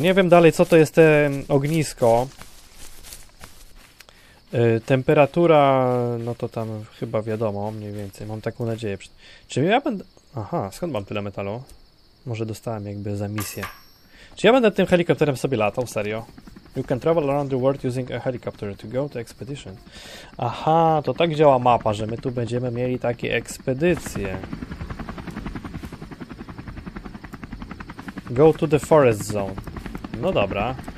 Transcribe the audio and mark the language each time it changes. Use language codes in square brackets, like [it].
[pl] Nie wiem dalej, co to jest to ognisko. Temperatura, no to tam chyba wiadomo, mniej więcej, mam taką nadzieję. Czy ja będę... Aha, skąd mam tyle metalu? Może dostałem jakby za misję. Czy ja będę tym helikopterem sobie latał, serio? [en] You can travel around the world using a helicopter to go to expedition. [pl] Aha, to tak działa mapa, że my tu będziemy mieli takie ekspedycje. [en] Go to the forest zone. [pl] No dobra.